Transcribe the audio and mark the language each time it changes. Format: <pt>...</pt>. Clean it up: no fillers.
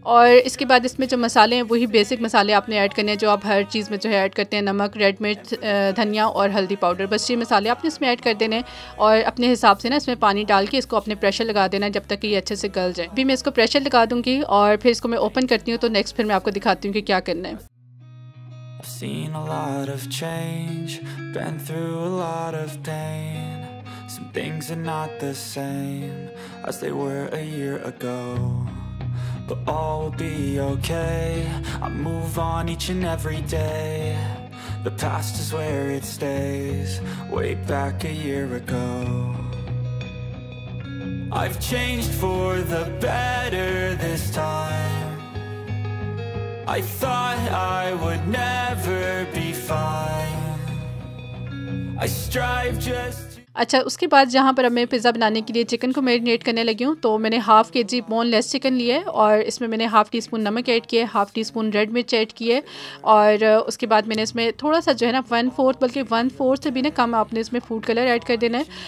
<hi>और इसके बाद इसमें जो मसाले हैं वही बेसिक मसाले आपने ऐड करने हैं जो आप हर चीज़ में जो है ऐड करते हैं, नमक, रेड मिर्च, धनिया और हल्दी पाउडर, बस ये मसाले आपने इसमें ऐड कर देने और अपने हिसाब से ना इसमें पानी डाल के इसको अपने प्रेशर लगा देना जब तक कि ये अच्छे से गल जाए। अभी मैं इसको प्रेशर लगा दूंगी और फिर इसको मैं ओपन करती हूँ, तो नेक्स्ट फिर मैं आपको दिखाती हूँ कि क्या करना है।</hi> <en>Seen a lot of change, been through a lot of pain. Some things are not the same as they were a year ago, but all will be okay. I move on each and every day. The past is where it stays, way back a year ago. I've changed for the better this time. I thought I would never be fine. I strive just.</en> <hi>अच्छा, उसके बाद जहाँ पर अब मैं pizza बनाने के लिए चिकन को मैरिनेट करने लगी हूँ, तो मैंने हाफ के जी बोनलेस चिकन लिया है और इसमें मैंने हाफ टी स्पून नमक ऐड किया, हाफ टी स्पून रेड मिर्च ऐड किए, और उसके बाद मैंने इसमें थोड़ा सा जो है ना 1/4 बल्कि 1/4 से भी ना कम आपने इसमें फूड कलर ऐड कर देना है।</hi>